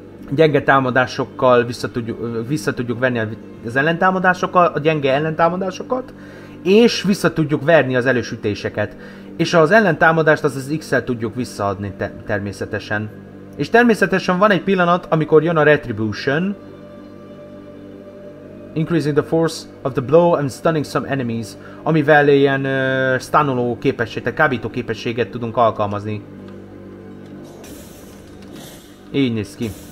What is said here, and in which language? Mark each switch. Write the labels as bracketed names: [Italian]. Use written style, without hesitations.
[Hungarian] Gyenge támadásokkal vissza tudjuk venni az ellentámadásokat, a gyenge ellentámadásokat, és vissza tudjuk verni az elősütéseket. És az ellentámadást az X-el tudjuk visszaadni természetesen. És természetesen van egy pillanat, amikor jön a retribution. [English] Increasing the force of the blow and stunning some enemies. [Hungarian] Amivel ilyen stunoló képességet, kábító képességet tudunk alkalmazni. Így néz ki.